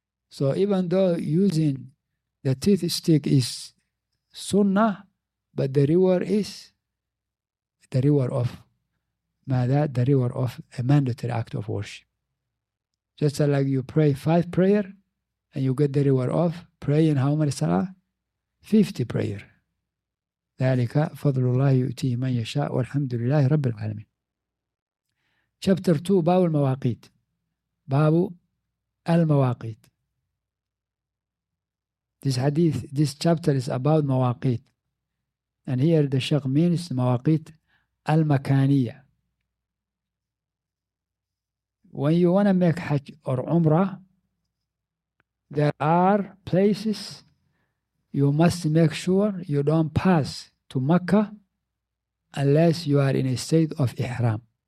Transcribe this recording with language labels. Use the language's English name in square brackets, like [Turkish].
[English] So even though using the teeth stick is sunnah, but the reward is the reward of mada, the reward of a mandatory act of worship. Just like you pray 5 prayer and you get the reward of praying how many salah? 50 prayer. [Arabic] ذلك فضل الله يؤتيه من يشاء والحمد لله رب العالمين. [English] Chapter 2 [Arabic] باب المواقيت. باب المواقيت. [English] This hadith, this chapter is about مواقيت. And here the Sheikh means [Arabic] مواقيت المكانية. [English] When you want to make Hajj or Umrah, there are places you must make sure you don't pass to Mecca unless you are in a state of ihram.